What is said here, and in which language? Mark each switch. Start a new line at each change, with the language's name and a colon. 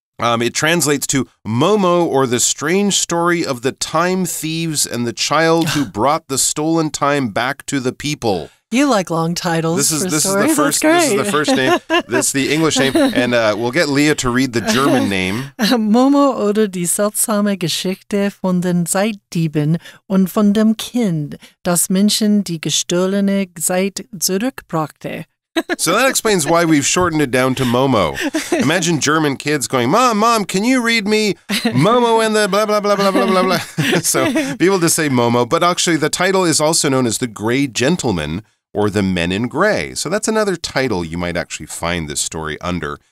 English: It translates to Momo, or the strange story of the time thieves and the child who brought the stolen time back to the people. You like long titles. This is the first name. This is the English name. And we'll get Leah to read the German name.
German: Momo oder die seltsame Geschichte von den Zeitdieben und von dem Kind, das Menschen die gestohlene Zeit zurückbrachte.
English: So that explains why we've shortened it down to Momo. Imagine German kids going, Mom, Mom, can you read me Momo and the blah, blah, blah, blah, blah, blah, blah. So people just say Momo. But actually, the title is also known as The Gray Gentleman or The Men in Gray. So that's another title you might actually find this story under.